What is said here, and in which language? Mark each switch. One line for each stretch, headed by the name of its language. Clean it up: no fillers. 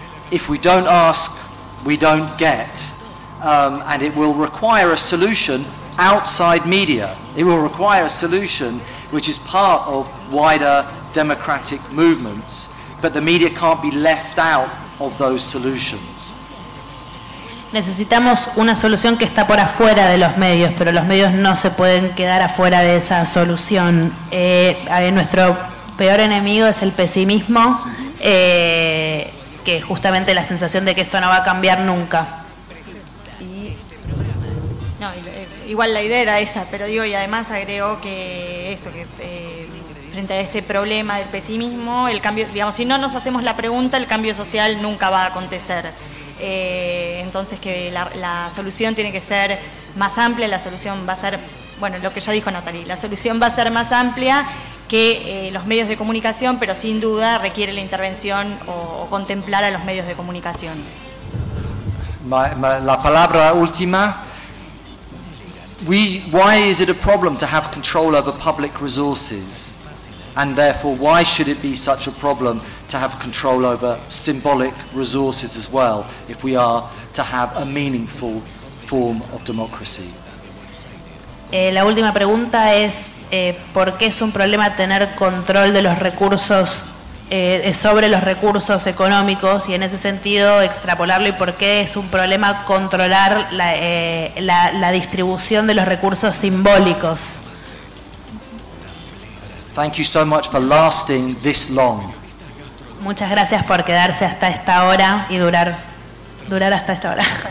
English: If we don't ask, we don't get. And it will require a solution outside media. It will require a solution which is part of wider democratic movements, but the media can't be left out of those solutions.
Spanish: Necesitamos una solución que está por afuera de los medios, pero los medios no se pueden quedar afuera de esa solución. Nuestro peor enemigo es el pesimismo, que es justamente la sensación de que esto no va a cambiar nunca. Igual la idea era esa, pero digo, y además agregó que esto, que frente a este problema del pesimismo, el cambio, digamos, si no nos hacemos la pregunta, el cambio social nunca va a acontecer. Entonces que la solución tiene que ser más amplia, la solución va a ser, bueno, lo que ya dijo Natalie, la solución va a ser más amplia que los medios de comunicación, pero sin duda requiere la intervención o contemplar a los medios de comunicación. La palabra última.
English: Why is it a problem to have control over public resources? And therefore, why should it be such a problem to have control over symbolic resources as well, if we are to have a meaningful form of democracy?
Spanish: La última pregunta es, ¿por qué es un problema tener control de los recursos, sobre los recursos económicos, y en ese sentido extrapolarlo, y por qué es un problema controlar la distribución de los recursos simbólicos?
English: Thank you so much for lasting this long.
Spanish: Muchas gracias por quedarse hasta esta hora y durar hasta esta hora.